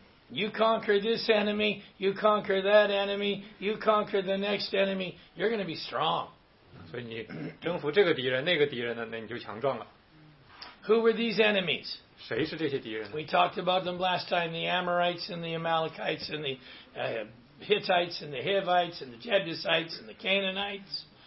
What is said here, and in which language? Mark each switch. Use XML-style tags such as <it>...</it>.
<en>You conquer this enemy, you conquer that enemy, you conquer the next enemy, you're going to be strong.</en> <zh>所以你征服这个敌人，那个敌人呢，那你就强壮了。</zh> <en>Who were these enemies?</en> <zh>谁是这些敌人呢？</zh> <en>We talked about them last time, the Amorites and the Amalekites and the Hittites and the Hivites and the Jebusites and the Canaanites.</en>